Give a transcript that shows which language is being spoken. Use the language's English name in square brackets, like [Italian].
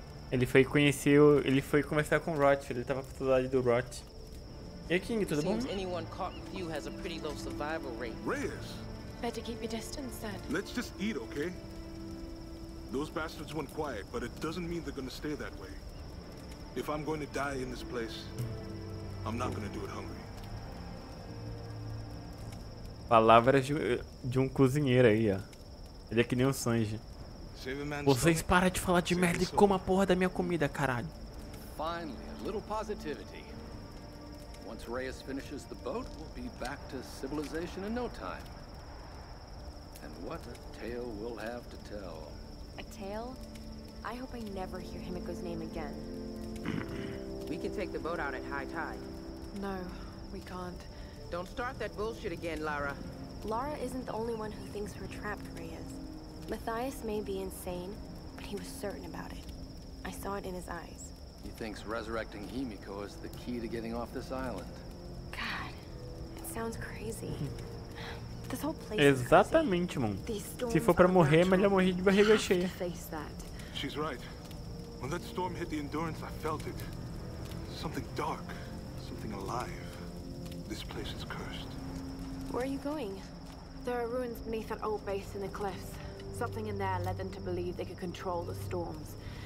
[Portuguese] Ele foi conhecer, ele foi conversar com o Roth, ele tava com saudade do Roth. E King, tudo bom? [English] Anyone caught with you has a pretty low survival rate. Reyes. Better keep your distance, then. Let's just eat, okay? Those bastards went quiet, but it doesn't mean they're gonna stay that way. If I'm going to die in this place, I'm not gonna do it hungry. [Portuguese] Palavras de um cozinheiro aí, ó. Ele é que nem o Sanji. Vocês param de falar de merda e comam a porra da minha comida, caralho. [English] Finally, a little positivity. Once Reyes finishes the boat, we'll be back to civilization in no time. And what a tale we'll have to tell. A tale? I hope I never hear Himiko's name again. We can take the boat out at high tide. No, we can't. Don't start that bullshit again, Lara. Lara isn't the only one who thinks we're trapped, Reyes. Matthias may be insane, but he was certain about it. I saw it in his eyes. He thinks resurrecting Himiko is the key to getting off this island. God, it sounds crazy. This whole place is crazy. [Portuguese] Exatamente, mon. Se for pra morrer, melhor morrer de barriga cheia. [English] She's right. When that storm hit the Endurance, I felt it. Something dark, something alive. This place is cursed. Where are you going? There are ruins beneath that old base in the cliffs. Something in there led them to believe they could control the storms.